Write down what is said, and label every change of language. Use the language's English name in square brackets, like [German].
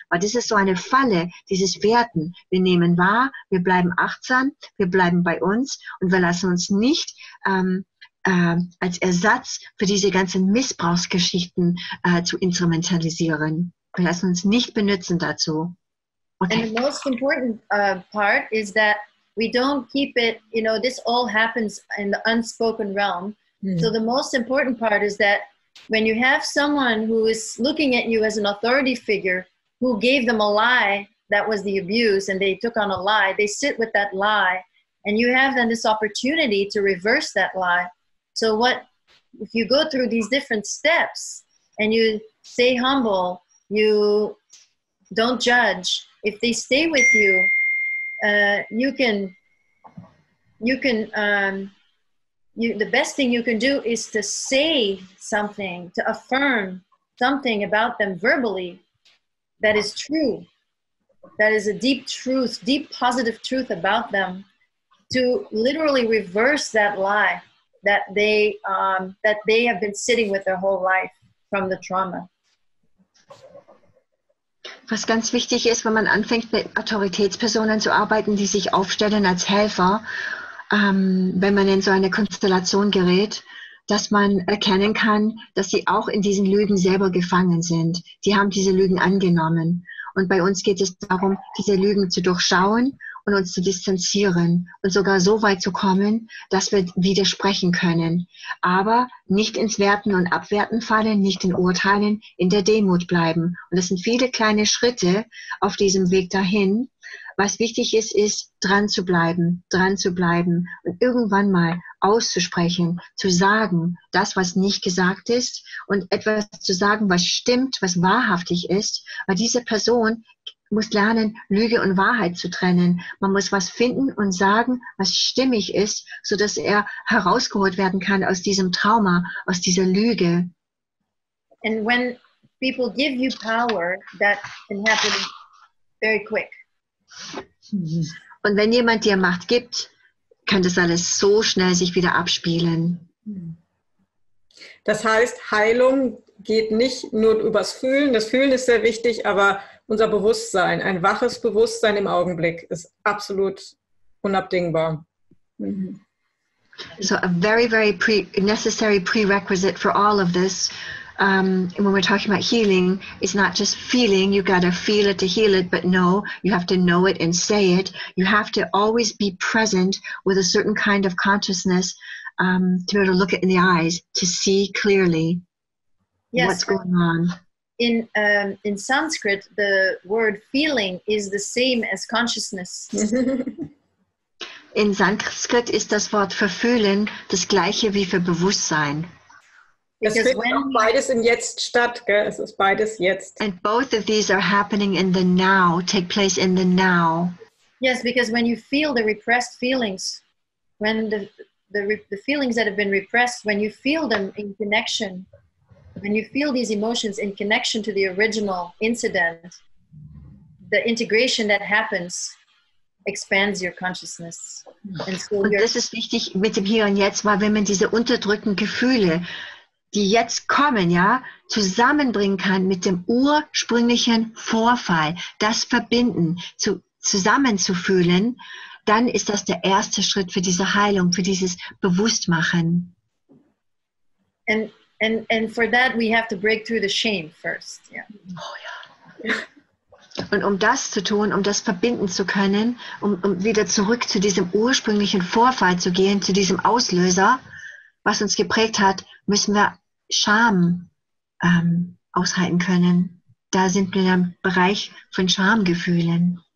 [German] Weil das ist so eine Falle, dieses Werten. Wir nehmen wahr, wir bleiben achtsam, wir bleiben bei uns und wir lassen uns nicht als Ersatz für diese ganzen Missbrauchsgeschichten zu instrumentalisieren. Wir lassen uns nicht benutzen dazu. Okay. [English] And the most important part is that we don't keep it, you know, this all happens in the unspoken realm. So the most important part is that when you have someone who is looking at you as an authority figure, who gave them a lie, that was the abuse, and they took on a lie, they sit with that lie, and you have then this opportunity to reverse that lie. So what, if you go through these different steps, and you stay humble, you don't judge, if they stay with you, the best thing you can do is to say something, to affirm something about them verbally, that is true, that is a deep truth, deep positive truth about them, to literally reverse that lie that they have been sitting with their whole life from the trauma. [German] Was ganz wichtig ist, wenn man anfängt mit Autoritätspersonen zu arbeiten, die sich aufstellen als Helfer, wenn man in so eine Konstellation gerät, dass man erkennen kann, dass sie auch in diesen Lügen selber gefangen sind. Die haben diese Lügen angenommen. Und bei uns geht es darum, diese Lügen zu durchschauen und uns zu distanzieren und sogar so weit zu kommen, dass wir widersprechen können. Aber nicht ins Werten und Abwerten fallen, nicht in Urteilen, in der Demut bleiben. Und das sind viele kleine Schritte auf diesem Weg dahin. Was wichtig ist, ist dran zu bleiben und irgendwann mal auszusprechen, zu sagen, das, was nicht gesagt ist, und etwas zu sagen, was stimmt, was wahrhaftig ist. Weil diese Person muss lernen, Lüge und Wahrheit zu trennen. Man muss was finden und sagen, was stimmig ist, sodass er herausgeholt werden kann aus diesem Trauma, aus dieser Lüge. [English] And when people give you power, that can happen very quick. [German] Und wenn jemand dir Macht gibt, kann das alles so schnell sich wieder abspielen. Das heißt, Heilung geht nicht nur übers Fühlen. Das Fühlen ist sehr wichtig, aber unser Bewusstsein, ein waches Bewusstsein im Augenblick, ist absolut unabdingbar. [English] So a very, very necessary prerequisite for all of this. When we're talking about healing, it's not just feeling, you gotta feel it to heal it, but no, you have to know it and say it. You have to always be present with a certain kind of consciousness to be able to look it in the eyes, to see clearly what's going on. In Sanskrit, the word feeling is the same as consciousness. [German] In Sanskrit ist das Wort für fühlen das gleiche wie für Bewusstsein. [English] Because [German] das findet auch beides im Jetzt statt, gell? Es ist beides jetzt. [English] And both of these are happening in the now, take place in the now. Yes, because when you feel the repressed feelings, when the feelings that have been repressed, when you feel them in connection, when you feel these emotions in connection to the original incident, the integration that happens, expands your consciousness. And so [German] und das ist wichtig mit dem Hier und Jetzt, weil wenn man diese unterdrückten Gefühle, die jetzt kommen, ja, zusammenbringen kann mit dem ursprünglichen Vorfall, das Verbinden, zusammenzufühlen, dann ist das der erste Schritt für diese Heilung, für dieses Bewusstmachen. [English] And for that we have to break through the shame first. Yeah. [German] Oh ja. Und um das zu tun, um das verbinden zu können, um wieder zurück zu diesem ursprünglichen Vorfall zu gehen, zu diesem Auslöser, was uns geprägt hat, müssen wir Scham aushalten können. Da sind wir im Bereich von Schamgefühlen.